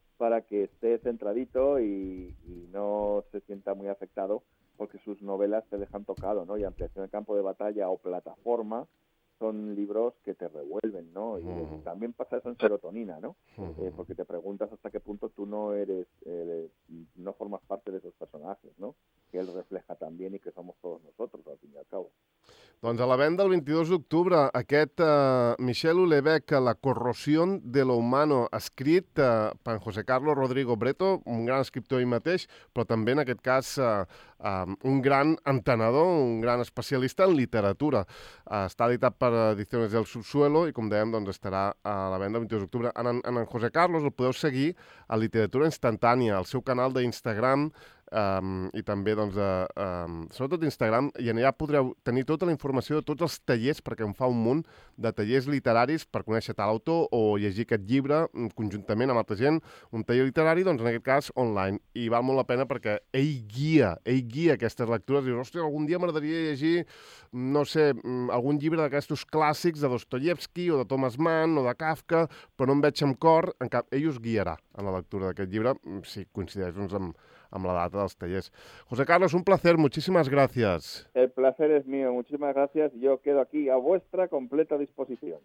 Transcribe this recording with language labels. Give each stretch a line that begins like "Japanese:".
Spanish: Para que esté centradito y no se sienta muy afectado, porque sus novelas te dejan tocado, ¿no? Y Ampliación del campo de batalla o Plataforma son libros que te revuelven, ¿no? Y también pasa eso en Serotonina, ¿no? Porque te preguntas hasta qué punto tú no eres, no formas parte de esos personajes, ¿no? Que él refleja también y que somos todos nosotros, al fin y al cabo.
Catalan: Doncs a la venda el 22 d'octubre, aquest Michel Houellebecq, La corrosió de lo humano, escrit per José Carlos Rodrigo Breto, un gran escriptor ell mateix, però també en aquest cas un gran entenedor, un gran especialista en literatura. Està editat per Ediciones del Subsuelo i, com dèiem, doncs estarà a la venda el 22 d'octubre. En José Carlos el podeu seguir a Literatura Instantània, al seu canal d'Instagram, i també, doncs, sobretot Instagram, i allà podreu tenir tota la informació de tots els tallers, perquè en fa un munt de tallers literaris per conèixer tal autor o llegir aquest llibre conjuntament amb altra gent, un taller literari, doncs, en aquest cas, online. I val molt la pena perquè ell guia aquestes lectures, i diu, hòstia, algun dia m'agradaria llegir, no sé, algun llibre d'aquests clàssics de Dostoyevsky o de Thomas Mann o de Kafka, però no em veig amb cor, en cap, ell us guiarà en la lectura d'aquest llibre, si coincideix, doncs, amb la data dels tallers.
Spanish: José Carlos, un placer, muchísimas gracias. El placer es mío, muchísimas gracias. Yo quedo aquí a vuestra completa disposición.